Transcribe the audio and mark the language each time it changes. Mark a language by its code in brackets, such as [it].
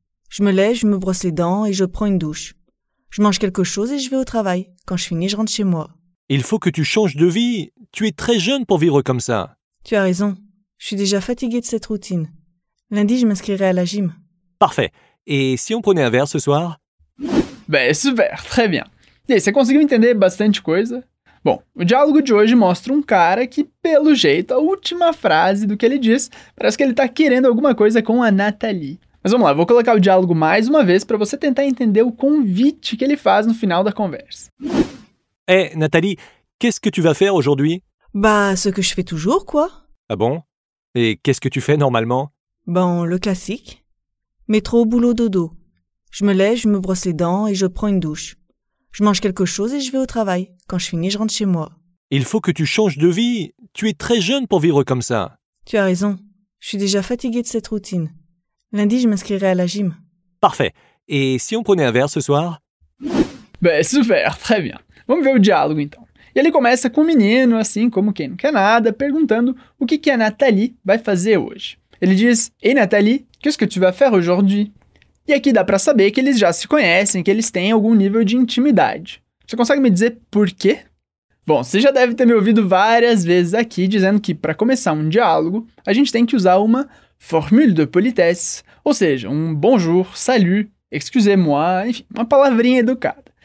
[fr] Je me lève, je me brosse les dents et je prends une douche. Je mange quelque chose et je vais au travail. Quand je finis, je rentre chez moi. Il faut que tu changes de vie. Tu es très jeune pour vivre comme ça. Tu as raison. Je suis déjà fatiguée de cette routine. Lundi, je m'inscrirai à la gym. Parfait. Et si on prenait un verre ce soir? Ben, super. Très bien. [pt] E aí, você conseguiu entender bastante coisa? Bom, o diálogo de hoje mostra um cara que, pelo jeito, a última frase do que ele diz, parece que ele tá querendo alguma coisa com a Nathalie. Mas vamos lá, vou colocar o diálogo mais uma vez para você tentar entender o convite que ele faz no final da conversa. [fr] Hey, Nathalie, qu'est-ce que tu vas faire aujourd'hui? Bah, ce que je fais toujours, quoi. Ah bon? Et qu'est-ce que tu fais normalement? Bon, le classique. Métro, boulot, dodo. Je me lève, je me brosse les dents et je prends une douche. Je mange quelque chose et je vais au travail. Quand je finis, je rentre chez moi. Il faut que tu changes de vie. Tu es très jeune pour vivre comme ça. Tu as raison. Je suis déjà fatiguée de cette routine. Lundi, je m'inscrirai à la gym. Parfait. Et si on prenait un verre ce soir? Ben, super, très bien. [pt] Vamos ver o diálogo, então. E ele começa com o menino, assim como quem não quer nada, perguntando o que que a Nathalie vai fazer hoje. Ele diz, hey Nathalie, [fr] qu'est-ce que tu vas faire aujourd'hui? [pt] E aqui dá pra saber que eles já se conhecem, que eles têm algum nível de intimidade. Você consegue me dizer por quê? Bom, você já deve ter me ouvido várias vezes aqui dizendo que pra começar um diálogo, a gente tem que usar uma [fr] formule de politesse, [pt] ou seja, um bonjour, salut, [fr] excusez-moi, [pt] enfim, uma palavrinha educada.